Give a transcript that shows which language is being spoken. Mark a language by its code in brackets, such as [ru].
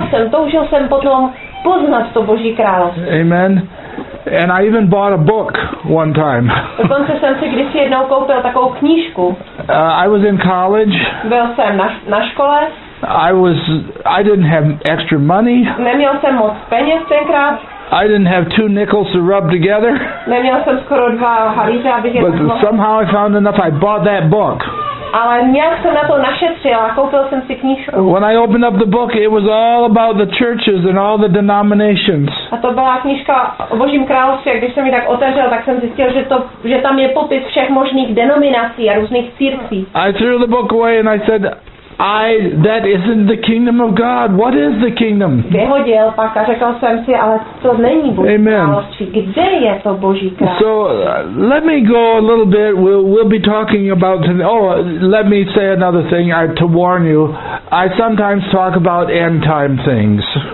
[cs] Toužil jsem potom poznat to Boží království. Amen. [en] And I even bought a book one time. [cs] Dokonce jsem si kdysi jednou koupil takovou knížku. [en] I was in college. [cs] Byl jsem na škole. [en] I didn't have extra money. [cs] Neměl jsem moc peněz tenkrát. [en] I didn't have two nickels to rub together. [cs] Neměl jsem skoro dva halíře, abych [en] But [cs] jednoho. [en] Somehow I found enough, I bought that book. [cs] Ale nějak jsem na to našetřil a koupil jsem si knížku. [en] When I opened up the book, it was all about the churches and all the denominations. [cs] A to byla knížka o Božím království, a když jsem ji tak otevřel, tak jsem zjistil, že tam je popis všech možných denominací a různých církví. [en] I threw the book away and I said, that isn't the kingdom of God. What is the kingdom? [cs] Vyhodil pak a řekl jsem si, ale to není Boží království. Kde je to Boží království? [en] So, let me go a little bit. We'll be talking about... let me say another thing to warn you. I sometimes talk about end time things.